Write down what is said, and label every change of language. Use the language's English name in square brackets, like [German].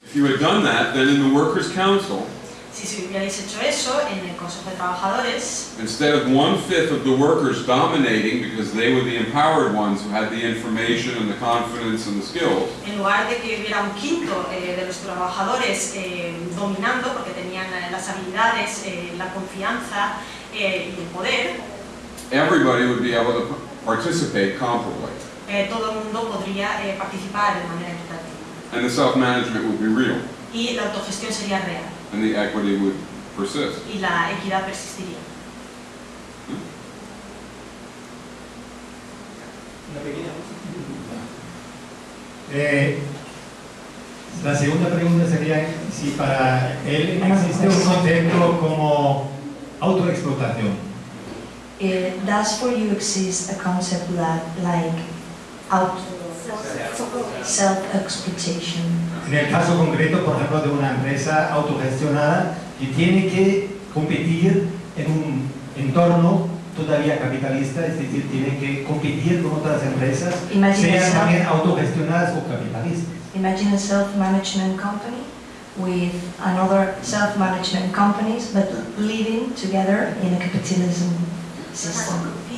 [English] If you had done that, then in the workers' council, [Spanish] si hubierais hecho eso en el consejo de trabajadores, [English] instead of one-fifth of the workers dominating because they were the empowered ones who had the information and the confidence and the skills, [Spanish] en lugar de que hubiera un quinto de los trabajadores dominando porque tenían las habilidades, la confianza y el poder, [English] everybody would be able to participate comparably. [Spanish] Todo el mundo podría participar de manera equitativa. [English] And the self-management would be real. [Spanish] Y la autogestión sería real. [English] And the equity would persist. [Spanish] Y la equidad persistiría. La segunda pregunta sería si para él existe un concepto como autoexplotación. [English] Does for you exist a concept that like auto self-exploitation? [Spanish] En el caso concreto, por ejemplo, de una empresa autogestionada que tiene que competir en un entorno todavía capitalista, es decir, tiene que competir con otras empresas, sean autogestionadas o capitalistas. [English] Imagine a self-management company with another self-management companies, but living together in a capitalism system.